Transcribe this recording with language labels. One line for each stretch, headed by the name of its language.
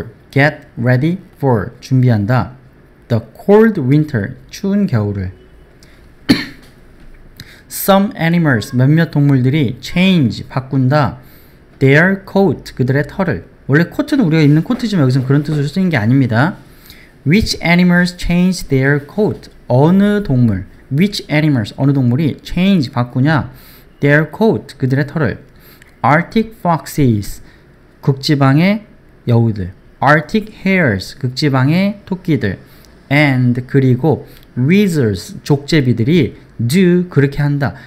English: get ready for
Korean: 준비한다.
English: The cold winter
Korean: 추운 겨울을.
English: Some animals
Korean: 몇몇 동물들이 change 바꾼다.
English: Their coat
Korean: 그들의 털을. 원래 코트는 우리가 입는 코트지만 여기서는 그런 뜻으로 쓰인 게 아닙니다.
English: Which animals change their coat?
Korean: 어느 동물,
English: which animals,
Korean: 어느 동물이 change, 바꾸냐?
English: Their coat,
Korean: 그들의 털을.
English: Arctic foxes,
Korean: 극지방의 여우들.
English: Arctic hares,
Korean: 극지방의 토끼들. And, 그리고 weasels, 족제비들이 do, 그렇게 한다.